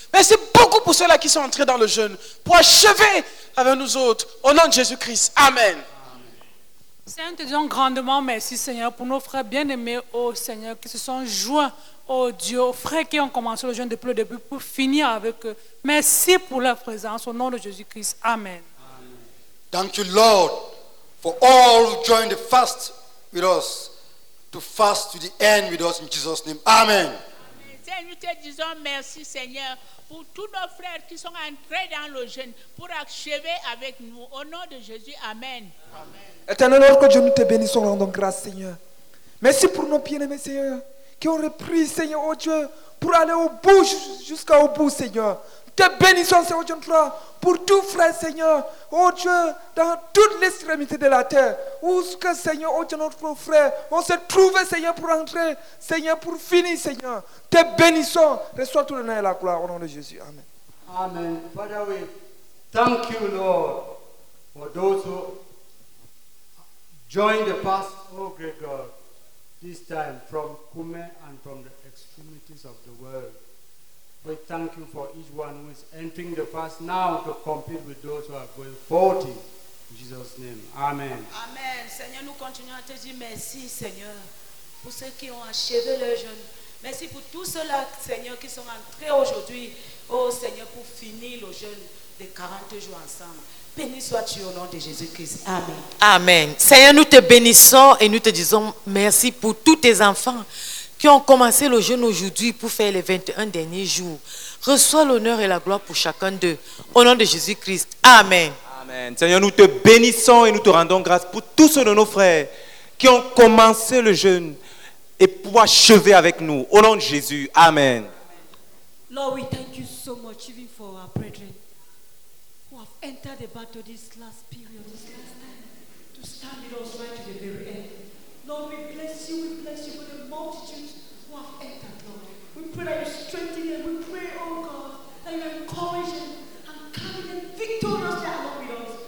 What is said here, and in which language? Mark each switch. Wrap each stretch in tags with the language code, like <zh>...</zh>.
<fr>Merci beaucoup pour ceux-là qui sont entrés dans le jeûne pour achever avec nous autres, au nom de Jésus-Christ. Amen. Seigneur, te disons grandement merci, Seigneur, pour nos frères bien-aimés, ô Seigneur, qui se sont joints, ô Dieu, aux frères qui ont commencé le jeûne depuis le début pour finir avec eux. Merci pour leur présence, au nom de Jésus-Christ. Amen.</fr> <en>Thank you, Lord, for all who joined the fast with us, to fast to the end with us, in Jesus' name. Amen.</en> <fr>Seigneur, nous te disons merci, Seigneur, pour tous nos frères qui sont entrés dans le jeûne pour achever avec nous. Au nom de Jésus, amen. Amen. Éternel, Lord, que Dieu nous te bénisse, nous rendons grâce, Seigneur. Merci pour nos bien-aimés, Seigneur, qui ont repris, Seigneur, oh Dieu, pour aller au bout, jusqu'au bout, Seigneur. Nous te bénissons, Seigneur, oh Dieu, pour tous frères, Seigneur, oh Dieu, dans toute l'extrémité de la terre, où ce que, Seigneur, oh Dieu, notre frère, on se trouve, Seigneur, pour entrer, Seigneur, pour finir, Seigneur. Te bénissons, reçois tout le nom et la gloire, au nom de Jésus. Amen. Amen.</fr> <en>Father, we thank you, Lord, for those who join the past, oh great God, this time from Kume and from the extremities of the world. We thank you for each one who is entering the fast now to compete with those who are going 40. In Jesus' name. Amen. Amen.</en> <fr>Seigneur, nous continuons à te dire merci, Seigneur, pour ceux qui ont achevé le jeûne. Merci pour tous ceux-là, Seigneur, qui sont entrés aujourd'hui, oh Seigneur, pour finir le jeûne de 40 jours ensemble. Béni sois-tu au nom de Jésus-Christ. Amen. Amen. Seigneur, nous te bénissons et nous te disons merci pour tous tes enfants qui ont commencé le jeûne aujourd'hui pour faire les 21 derniers jours. Reçois l'honneur et la gloire pour chacun d'eux. Au nom de Jésus-Christ. Amen. Amen. Seigneur, nous te bénissons et nous te rendons grâce pour tous ceux de nos frères qui ont commencé le jeûne et pour achever avec nous. Au nom de Jésus. Amen.</fr> <en>Lord, we thank you so much even for our brethren who have entered the battle this last period, this last time, to stand with us right to the very end. Lord, we bless you for the multitudes who have entered, Lord. We pray that you strengthen them. We pray, oh God, that you encourage them and carry them victoriously along with us.</en>